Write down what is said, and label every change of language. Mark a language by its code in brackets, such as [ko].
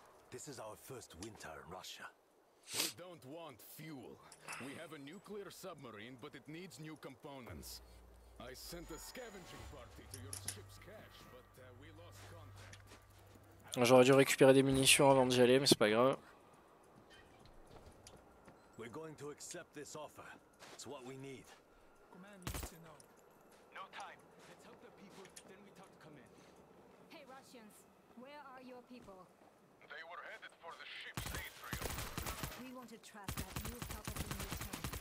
[en] This is our first winter in Russia. We don't want fuel. We have a nuclear submarine, but it needs new components. I sent a scavenging party to your ship's cache, but we lost contact. [fr] J'aurais dû récupérer des munitions avant d'y aller, mais c'est pas grave. [en] We're going to accept this offer. It's what we need. Command needs to know. No time. Let's help the people, then we talk to command. Hey Russians, where are your people? They were headed for the ship's atrium. We want to trust that you've helped us in return.